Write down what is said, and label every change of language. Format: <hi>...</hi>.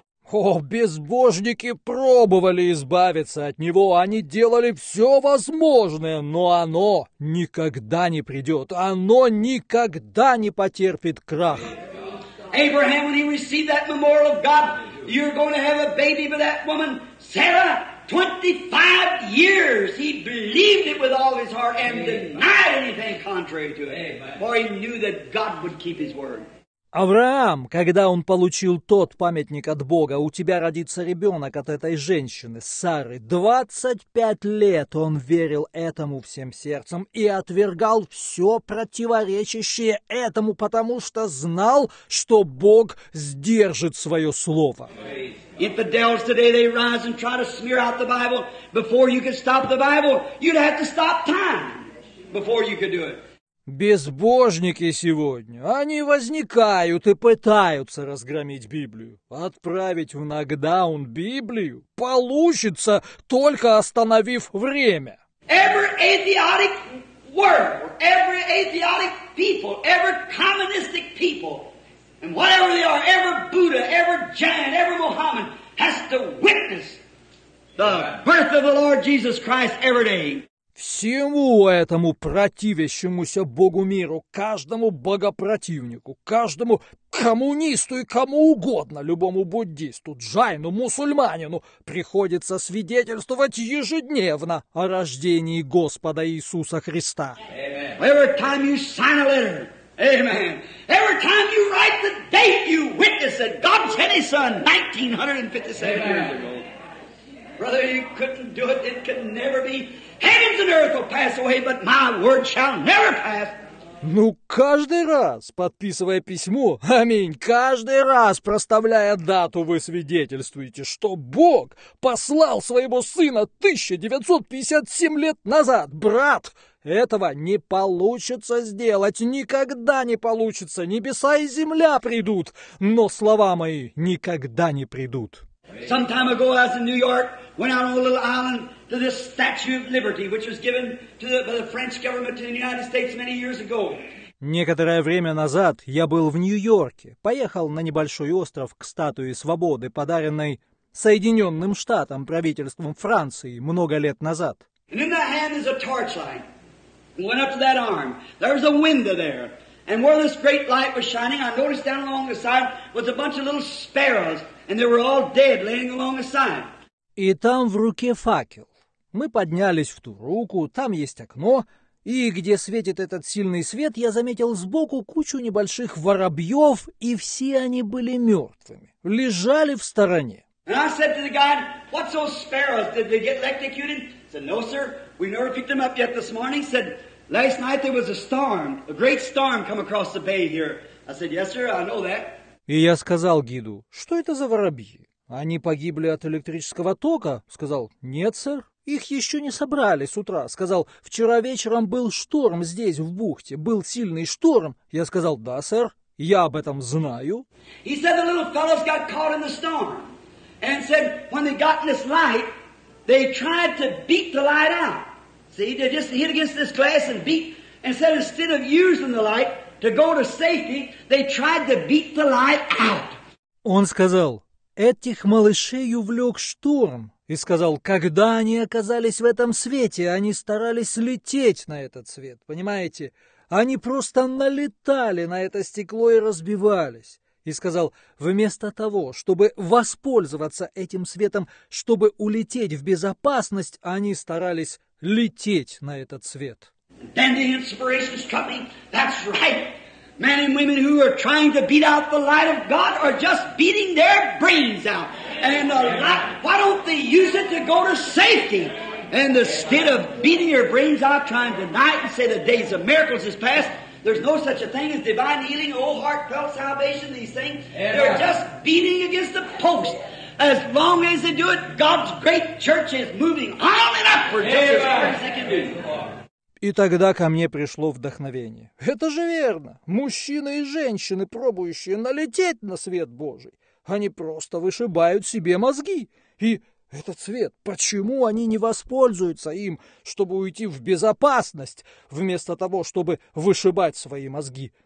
<ru>О, безбожники пробовали избавиться от него, они делали все возможное, но оно никогда не придет, оно никогда не потерпит крах.</ru> <en>Abraham, when he received that memorial of God, you're going to have a baby with that woman, Sarah. 25 years he believed it with all his heart and denied anything contrary to it, for he knew that God would keep his word.</en> <ru>Авраам, когда он получил тот памятник от Бога, у тебя родится ребенок от этой женщины, Сары, 25 лет он верил этому всем сердцем и отвергал все противоречащее этому, потому что знал, что Бог сдержит свое слово.</ru> <en>Infidels today, they rise and try to smear out the Bible. Before you could stop the Bible, you'd have to stop time before you could do it.</en> <ru>Безбожники сегодня, они возникают и пытаются разгромить Библию. Отправить в нокдаун Библию получится, только остановив время.</ru> <en>Every atheistic world, every atheistic people, every communistic people, and whatever they are, every Buddha, every Jain, every Mohammed has to witness the birth of the Lord Jesus Christ every day.</en> <ru>Всему этому противящемуся Богу миру, каждому богопротивнику, каждому коммунисту и кому угодно, любому буддисту, джайну, мусульманину, приходится свидетельствовать ежедневно о рождении Господа Иисуса Христа.</ru> <en>Every time you sign a letter, amen. Every time you write the date, you witness that God sent his son 1957 years ago. Brother, you couldn't do it. It could never be. Heavens and earth will pass away, but my word shall never pass.</en> <ru>Ну, каждый раз, подписывая письмо, аминь, каждый раз, проставляя дату, вы свидетельствуете, что Бог послал своего сына 1957 лет назад. Брат, этого не получится сделать, никогда не получится. Небеса и земля придут, но слова мои никогда не придут.</ru> <en>Some time ago, I was in New York, went out on a little island to this Statue of Liberty, which was given to the, by the French government to the United States many years ago.</en> <ru>Некоторое время назад я был в Нью-Йорке, поехал на небольшой остров к статуе свободы, подаренной Соединенным Штатам правительством Франции много лет назад.</ru> <en>And in that hand is a torchlight. Went up to that arm. There was a window there. And where this great light was shining, I noticed down along the side was a bunch of little sparrows. And they were all dead, laying along the side.</en> <ru>И там в руке факел. Мы поднялись в ту руку, там есть окно, и где светит этот сильный свет, я заметил сбоку кучу небольших воробьев, и все они были мертвыми, лежали в стороне.</ru> <en>And I said to the guide, "What's those sparrows? Did they get electrocuted?" He said, "No, sir. We never picked them up yet this morning." He said, "Last night there was a storm, a great storm come across the bay here." I said, "Yes, sir. I know that."</en> <ru>И я сказал гиду, что это за воробьи? Они погибли от электрического тока? Сказал, нет, сэр. Их еще не собрали с утра. Сказал, вчера вечером был шторм здесь, в бухте. Был сильный шторм. Я сказал, да, сэр, я об этом знаю.</ru> <en>He said the little fellows got caught in the storm. And said, when they got this light, they tried to beat the light out. See, they just hit against this glass and beat. And said, instead of using the light to go to safety, they tried to beat the light out.</en> <ru>Он сказал, этих малышей увлек шторм. И сказал, когда они оказались в этом свете, они старались лететь на этот свет. Понимаете? Они просто налетали на это стекло и разбивались. И сказал, вместо того, чтобы воспользоваться этим светом, чтобы улететь в безопасность, они старались лететь на этот свет.</ru> <en>Then the inspiration struck me. That's right. Men and women who are trying to beat out the light of God are just beating their brains out. And the light, why don't they use it to go to safety? And instead of beating your brains out, trying to deny it and say the days of miracles is past, there's no such a thing as divine healing, old heartfelt salvation, these things. Yeah. They're just beating against the post. As long as they do it, God's great church is moving on and upward, yeah, just as far as they can do.</en> <ru>И тогда ко мне пришло вдохновение. Это же верно. Мужчины и женщины, пробующие налететь на свет Божий, они просто вышибают себе мозги. И этот свет, почему они не воспользуются им, чтобы уйти в безопасность, вместо того, чтобы вышибать свои мозги?</ru>